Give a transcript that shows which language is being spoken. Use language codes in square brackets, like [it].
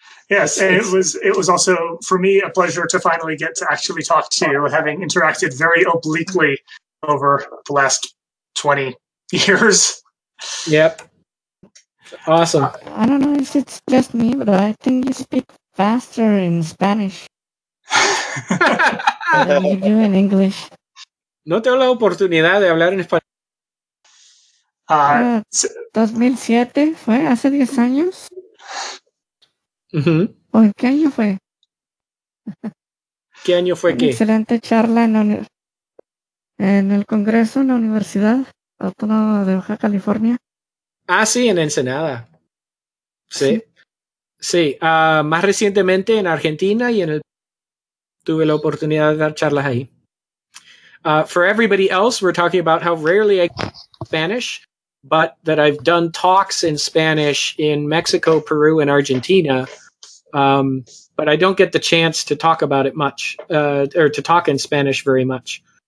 [en] yes, and it was also for me a pleasure to finally get to actually talk to you, having interacted very obliquely over the last 20 years. Yep. Awesome. I don't know if it's just me, but I think you speak faster in Spanish than you do in English. [es] No tengo la oportunidad de hablar en español. 2007 fue hace 10 años. Uh-huh. ¿O en qué año fue? ¿Qué año fue qué? Excelente charla en el Congreso, en la Universidad Autónoma de Baja California. Ah, sí, en Ensenada. Sí. Sí. Más recientemente en Argentina y en el. Tuve la oportunidad de dar charlas ahí. [en] For everybody else, we're talking about how rarely I Spanish, but that I've done talks in Spanish in Mexico, Peru, and Argentina. But I don't get the chance to talk about it much, or to talk in Spanish very much.